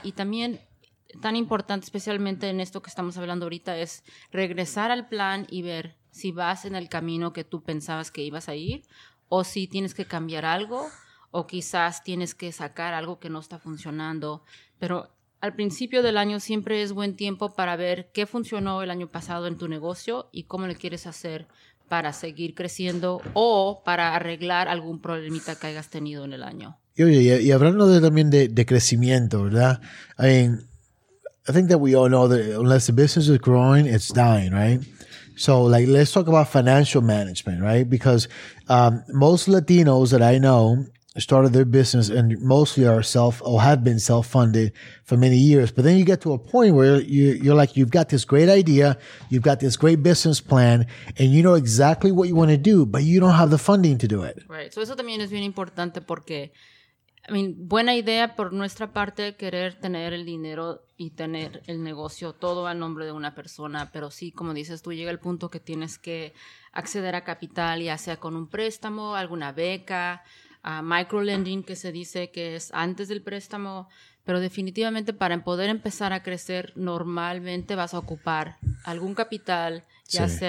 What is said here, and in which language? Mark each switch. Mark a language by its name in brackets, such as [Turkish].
[Spanish] Y también, tan importante, especialmente en esto que estamos hablando ahorita, es regresar al plan y ver si vas en el camino que tú pensabas que ibas a ir, o si tienes que cambiar algo, o quizás tienes que sacar algo que no está funcionando. Pero al principio del año siempre es buen tiempo para ver qué funcionó el año pasado en tu negocio y cómo le quieres hacer para seguir creciendo o para arreglar algún problemita que hayas tenido en el año. Y hablando también de crecimiento, ¿verdad? [English] I mean, I think that we all know that unless the business is growing, it's dying, right? So, like, let's talk about financial management, right? Because most Latinos that I know started their business and mostly are have been self-funded for many years. But then you get to a point where you're like, you've got this great idea, you've got this great business plan, and you know exactly what you want to do, but you don't have the funding to do it. Right. [Spanish] So eso también es bien importante porque, I mean, buena idea por nuestra parte querer tener el dinero y tener el negocio todo a nombre de una persona, pero sí, como dices tú, llega el punto que tienes que acceder a capital, ya sea con un préstamo, alguna beca, microlending, que se dice que es antes del préstamo, pero definitivamente para poder empezar a crecer normalmente vas a ocupar algún capital, ya sí.